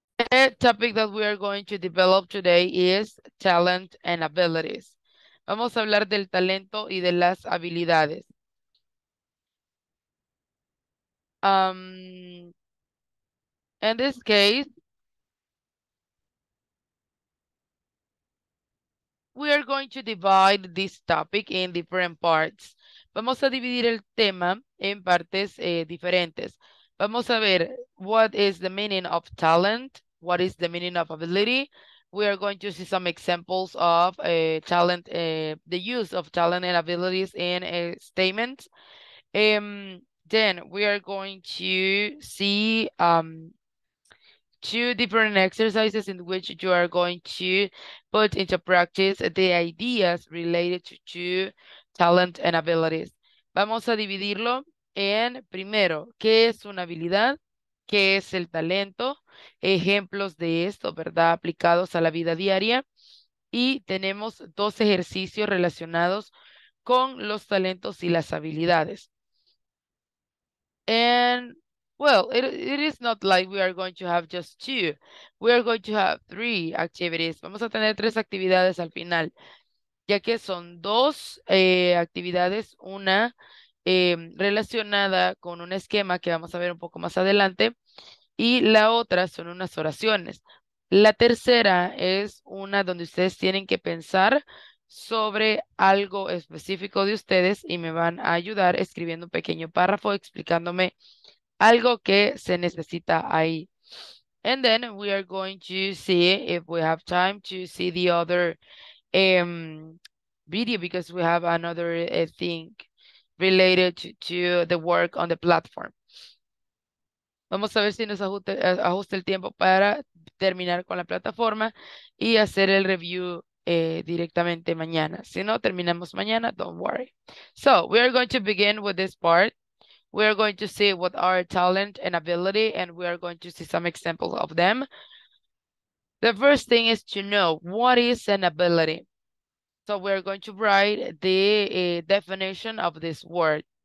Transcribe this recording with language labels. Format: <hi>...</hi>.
<en>The topic that we are going to develop today is talent and abilities.</en> <es>Vamos a hablar del talento y de las habilidades.</es> <en>In this case, we are going to divide this topic in different parts.</en> <es>Vamos a dividir el tema en partes diferentes. Vamos a ver</es> <en>what is the meaning of talent, what is the meaning of ability. We are going to see some examples of talent, the use of talent and abilities in a statement. Then we are going to see two different exercises in which you are going to put into practice the ideas related to talent and abilities.</en> <es>Vamos a dividirlo en primero, ¿qué es una habilidad? ¿Qué es el talento? Ejemplos de esto, ¿verdad? Aplicados a la vida diaria. Y tenemos dos ejercicios relacionados con los talentos y las habilidades.</es> <en>And, well, it is not like we are going to have just two. We are going to have three activities.</en> <es>Vamos a tener tres actividades al final, ya que son dos actividades, una relacionada con un esquema que vamos a ver un poco más adelante, y la otra son unas oraciones. La tercera es una donde ustedes tienen que pensar sobre algo específico de ustedes y me van a ayudar escribiendo un pequeño párrafo explicándome algo que se necesita ahí.</es> <en>And then we are going to see if we have time to see the other video because we have another thing related to the work on the platform.</en> <es>Vamos a ver si nos ajusta el tiempo para terminar con la plataforma y hacer el review directamente mañana. Si no, terminamos mañana,</es> <en>don't worry. So, we are going to begin with this part. We are going to see what are talent and ability, and we are going to see some examples of them. The first thing is to know what is an ability. So, we are going to write the definition of this word.</en>